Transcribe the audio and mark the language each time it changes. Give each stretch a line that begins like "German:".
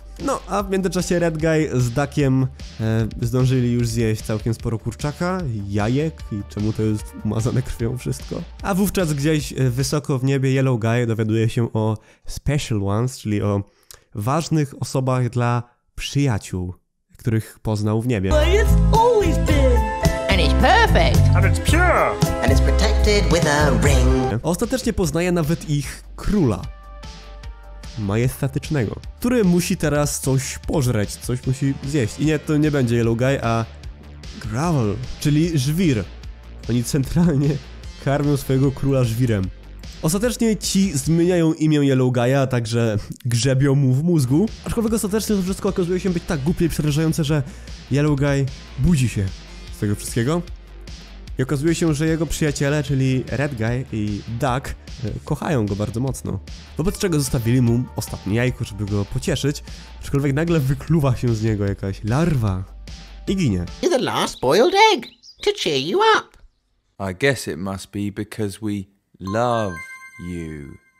Polish: No, a w międzyczasie Red Guy z Duckiem zdążyli już zjeść całkiem sporo kurczaka, jajek i czemu to jest umazane krwią wszystko. A wówczas gdzieś wysoko w niebie Yellow Guy dowiaduje się o Special Ones, czyli o ważnych osobach dla przyjaciół, których poznał w niebie.
English: But it's always been, and it's perfect. And it's pure. And it's protected with a ring.
Polish: Ostatecznie poznaje nawet ich króla. Majestatycznego. Który musi teraz coś pożreć, coś musi zjeść. I nie, to nie będzie Yellow Guy, a Growl, czyli żwir. Oni centralnie karmią swojego króla żwirem. Ostatecznie ci zmieniają imię Yellow Guy'a, także grzebią mu w mózgu. Aczkolwiek ostatecznie to wszystko okazuje się być tak głupie i przerażające, że Yellow Guy budzi się z tego wszystkiego. I okazuje się, że jego przyjaciele, czyli Red Guy i Duck, kochają go bardzo mocno. Wobec czego zostawili mu ostatnie jajko, żeby go pocieszyć, aczkolwiek nagle wykluwa się z niego jakaś larwa i ginie.
English: You're the last boiled egg to cheer you up. I guess it must be because we love you.